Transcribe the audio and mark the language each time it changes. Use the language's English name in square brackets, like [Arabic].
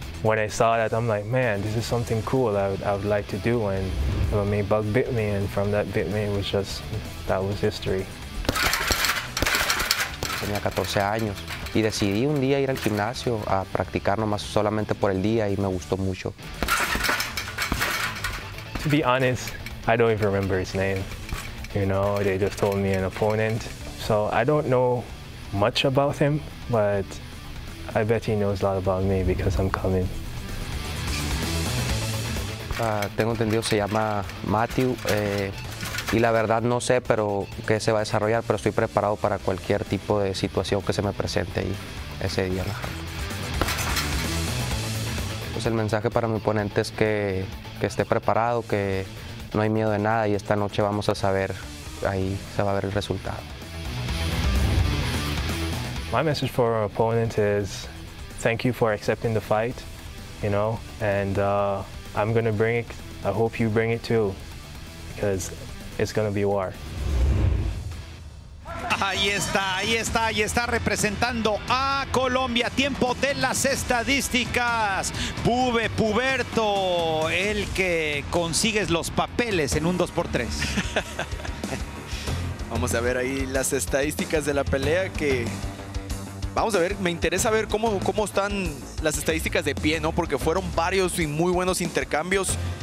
[English] When I saw that, I'm like, man, this is something cool I would like to do. And the main bug bit me, and from that bit me, that was history. [Spanish] Tenía 14 años y decidí un día ir al gimnasio a practicar nomás solamente por el día y me gustó mucho. [English] To be honest, I don't even remember his name. You know, they just told me an opponent. So I don't know much about him, but I bet he knows a lot about me because I'm coming. [Spanish] Tengo entendido se llama Matthew, y la verdad no sé pero qué se va a desarrollar, pero estoy preparado para cualquier tipo de situación que se me presente ahí ese día. Pues el mensaje para mi oponente es que esté preparado, que no hay miedo de nada, y esta noche vamos a saber, ahí se va a ver el resultado. [English] My message for our opponent is thank you for accepting the fight, you know, and I'm going to bring it. I hope you bring it too, because it's going to be war. [Spanish] Ahí está, ahí está, ahí está, representando a Colombia. Tiempo de las estadísticas. Pube, Puberto, el que consigues los papeles en un 2x3. Vamos a ver ahí las estadísticas de la pelea que... Vamos a ver, me interesa ver cómo están las estadísticas de pie, ¿no? Porque fueron varios y muy buenos intercambios.